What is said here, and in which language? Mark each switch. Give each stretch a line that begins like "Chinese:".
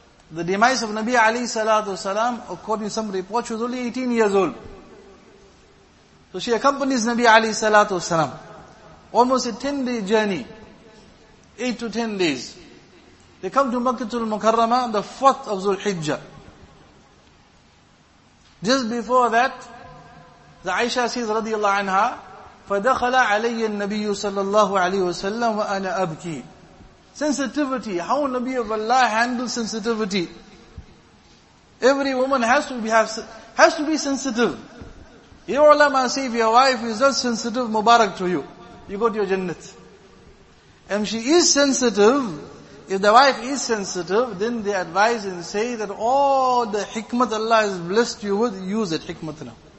English: The demise of Nabi alayhi salatu wasalam, according to some reports, she was only 18 years old. So she accompanies Nabi alayhi salatu wasalam. Almost a 10-day journey. 8 to 10 days. They come to Makkatul Mukarrama, the 4th of Dhul Hijjah. Just before that, the Aisha says radiyallahu anha,
Arabic: فَدَخَلَ عَلَيَّ النَّبِيُّ صَلَّى اللَّهُ عَلَيْهُ وَسَلَّمُ وَأَنَا أَبْكِي
English: Sensitivity. How a Nabi of Allah handles sensitivity. Every woman has to be sensitive. You know Allah must say, if your wife is not sensitive, Mubarak to you. You go to your Jannat. And she is sensitive. If the wife is sensitive, then they advise and say that all the hikmat Allah has blessed you with, use it, hikmat now.